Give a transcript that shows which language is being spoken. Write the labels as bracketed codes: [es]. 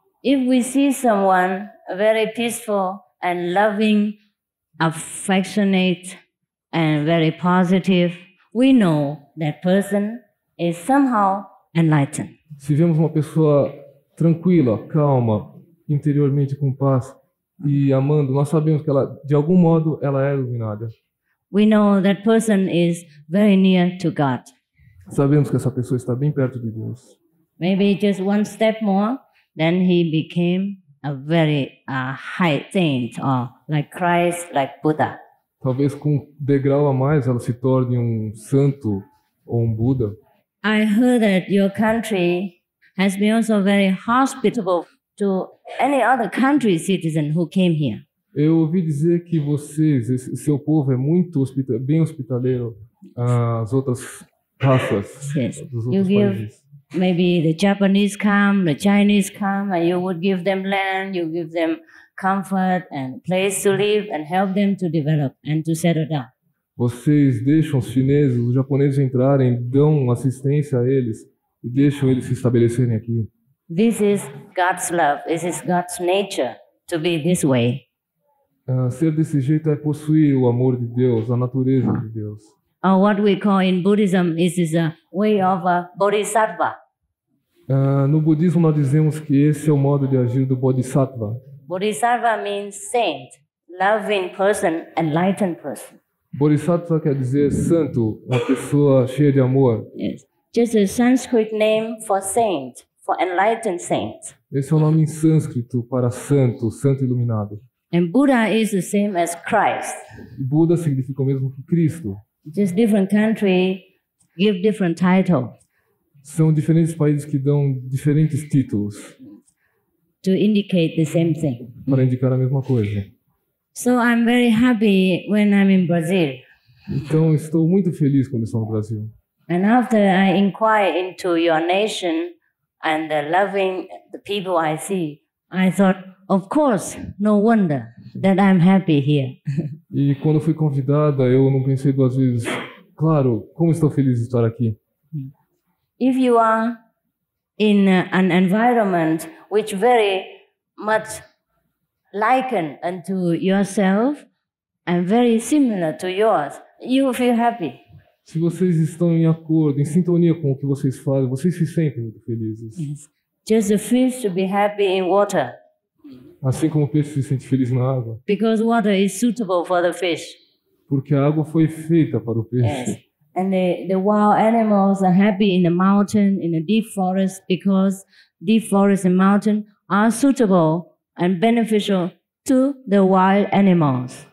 [en] If we see someone very peaceful and loving, affectionate and very positive, we know that person is somehow enlightened. [pt] Se vemos uma pessoa tranquila, calma, interiormente com paz e amando, nós sabemos que ela, de algum modo, ela é iluminada. [en] We know that person is very near to God. [pt] Sabemos que essa pessoa está bem perto de Deus. [en] Maybe just one step more, then he became a very high saint, or like Christ, like Buddha. [pt] Talvez com um degrau a mais ela se torne um santo ou um Buda. [en] I heard that your country has been also very hospitable to any other country citizen who came here. [pt] Eu ouvi dizer que vocês, seu povo é muito bem hospitaleiro às outras raças. [en] Yes. [pt] Dos outros [en] you give [pt] países. [en] Maybe the Japanese come, the Chinese come, and you would give them land, you give them comfort and place to live and help them to develop and to settle down. [pt] Vocês deixam os chineses, os japoneses entrarem, dão assistência a eles e deixam eles se estabelecerem aqui. [en] This is God's love. This is God's nature to be this way. [pt] Ser desse jeito é possuir o amor de Deus, a natureza de Deus. [en] Or what we call in Buddhism is this a way of a bodhisattva. [pt] No budismo nós dizemos que esse é o modo de agir do bodhisattva. [en] Bodhisattva means saint, loving person, enlightened person. [pt] Bodhisattva quer dizer santo, uma pessoa cheia de amor. [en] Yes. Just a Sanskrit name for saint, for enlightened saint. [pt] Esse é o nome em sânscrito para santo, santo iluminado. [en] And Buddha is the same as Christ. [pt] Buda significa o mesmo que Cristo. [en] Just different country give different title. [pt] São diferentes países que dão diferentes títulos. [en] To indicate the same thing. [pt] Para indicar a mesma coisa. [en] So I'm very happy when I'm in Brazil. [pt] Então estou muito feliz quando estou no Brasil. [en] And after I inquire into your nation and the loving the people I see, I thought, of course, no wonder that I'm happy here. [pt] E quando fui convidada, eu não pensei duas vezes. Claro, como estou feliz de estar aqui. [en] If you are in an environment which very much liken unto yourself and very similar to yours, you will feel happy. [pt] Se vocês estão em acordo, em sintonia com o que vocês fazem, vocês se sentem muito felizes. [en] Just a fish to be happy in water. [pt] Assim como o peixe se sente feliz na água. [en] Because water is suitable for the fish. [pt] Porque a água foi feita para o peixe. [en] Yes. And the wild animals are happy in the mountain, in the deep forest, because deep forest and mountain are suitable and beneficial to the wild animals.